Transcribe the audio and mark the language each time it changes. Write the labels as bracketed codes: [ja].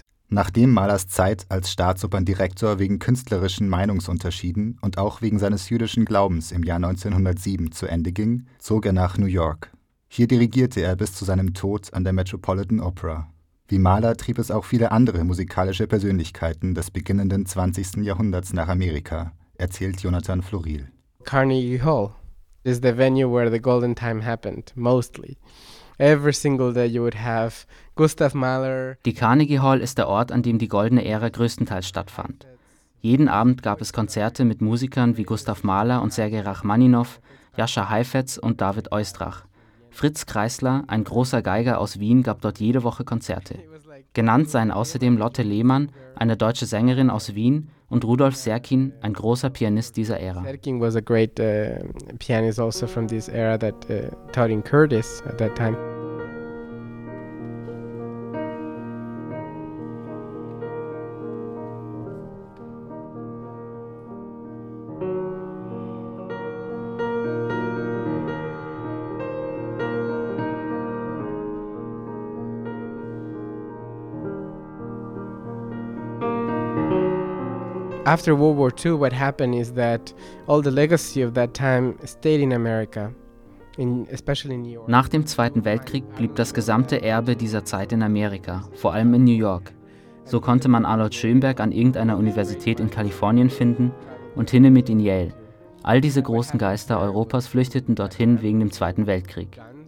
[de] Nachdem Mahlers Zeit als Staatsoperndirektor wegen künstlerischen Meinungsunterschieden und auch wegen seines jüdischen Glaubens im Jahr 1907 zu Ende ging, zog er nach New York. Hier dirigierte er bis zu seinem Tod an der Metropolitan Opera. Wie Mahler trieb es auch viele andere musikalische Persönlichkeiten des beginnenden 20. Jahrhunderts nach Amerika, erzählt Jonathan Floril. [en] Carnegie Hall is the venue where the golden time happened, mostly. Every single day you would have Gustav Mahler. [de] Die Carnegie Hall ist der Ort, an dem die goldene Ära größtenteils stattfand. Jeden Abend gab es Konzerte mit Musikern wie Gustav Mahler und Sergei Rachmaninow, Jascha Heifetz und David Oistrach. Fritz Kreisler, ein großer Geiger aus Wien, gab dort jede Woche Konzerte. Genannt seien außerdem Lotte Lehmann, eine deutsche Sängerin aus Wien, und Rudolf Serkin, ein großer Pianist dieser Ära. [en] Serkin was a great pianist also from this era that taught in Curtis at that time. After World War II, what happened is that all the legacy of that time stayed in America, especially in New York. [de] Nach dem Zweiten Weltkrieg blieb das gesamte Erbe dieser Zeit in Amerika, vor allem in New York. So konnte man Arnold Schönberg an irgendeiner Universität in Kalifornien finden und Hindemith in Yale. All diese großen Geister Europas flüchteten dorthin wegen dem Zweiten Weltkrieg.